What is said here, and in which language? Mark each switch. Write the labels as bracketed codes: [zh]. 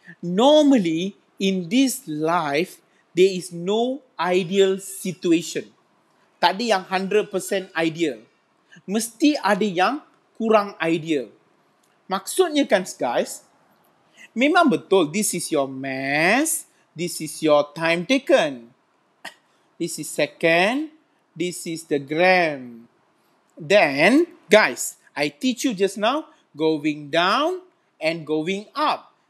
[en] Normally, in this life, there is no ideal situation. [ms] Tak ada yang 100% ideal. Mesti ada yang kurang ideal. Maksudnya kan, [en] guys, [ms] memang betul, [en] this is your mass, this is your time taken. This is second, this is the gram. Then, guys, I teach you just now, going down and going up.